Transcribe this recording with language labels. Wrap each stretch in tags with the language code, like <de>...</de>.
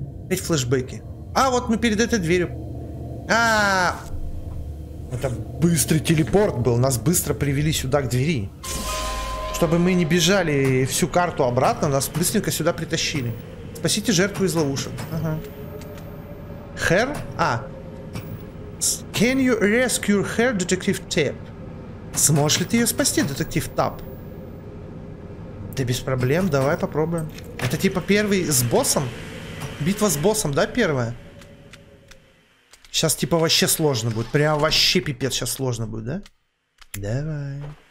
<ru>Эти флешбеки, а вот мы перед этой дверью, это быстрый телепорт был. Нас быстро привели сюда к двери. Чтобы мы не бежали всю карту обратно, нас быстренько сюда притащили. Спасите жертву из ловушек. Ага.</ru> <en>Her?</en> <ru>А.</ru> <en>Can you rescue her, Detective Tap?</en> <ru>Сможешь ли ты ее спасти, Детектив Тап? Да без проблем, давай попробуем. Это типа первый с боссом? Битва с боссом, да, первая? Сейчас типа вообще сложно будет. Прям вообще пипец сейчас сложно будет, да? Давай.</ru>